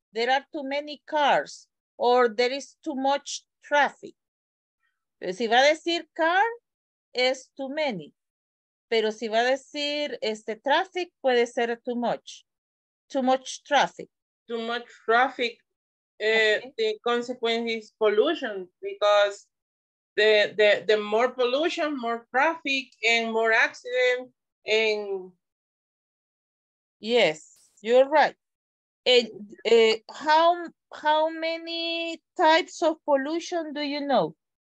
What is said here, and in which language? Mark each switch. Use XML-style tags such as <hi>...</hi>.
<en>There are too many cars or there is too much traffic.</en> <es>Pero si va a decir car, es</es> <en>too many.</en> <es>Pero si va a decir este traffic, puede ser</es> <en>too much. Too much traffic. Too much traffic. Okay. The consequence is pollution, because the more pollution, more traffic, and more accident, and... Yes, you're right. And how many types of pollution do you know?</en>